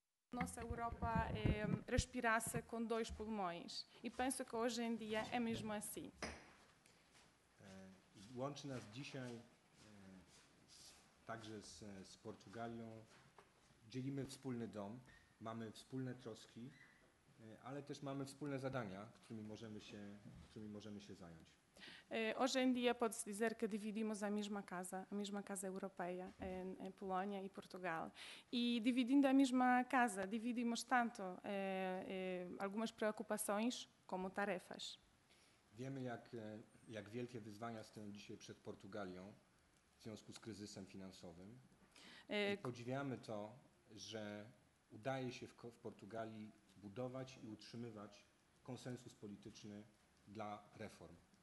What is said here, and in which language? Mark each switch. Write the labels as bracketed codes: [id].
[pt] Nossa Europa é, respirasse com dois pulmões. E penso que hoje em dia é mesmo assim. [pl] Łączy nas dzisiaj także z Portugalią. Dzielimy wspólny dom, mamy wspólne troski, ale też mamy wspólne zadania, którymi możemy się zająć. [pt] Hoje em dia pode-se dizer que dividimos a mesma casa europeia, em Polónia e Portugal. E dividindo a mesma casa, dividimos tanto algumas preocupações como tarefas. [pl] Wiemy, jak wielkie wyzwania stoją dzisiaj przed Portugalią w związku z kryzysem finansowym. I podziwiamy to, że udaje się w Portugalii budować i utrzymywać konsensus polityczny dla reform.